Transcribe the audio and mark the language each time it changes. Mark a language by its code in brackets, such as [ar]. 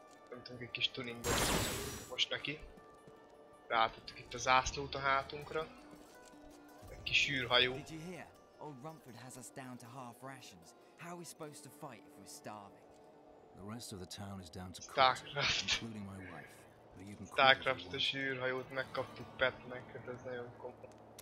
[hu] Nem tudunk egy kis tuningot most neki. Rátettük itt a zászlót a hátunkra. Egy kis űrhajó. [en] Did you hear? Old Rumford has us down to half rations. How are we supposed to fight if we're starving? The rest of the town is down to Starcraft. Including my wife. But you can [hu] Starcraft-os űrhajót megkaptuk Petnek, ez nagyon komoly.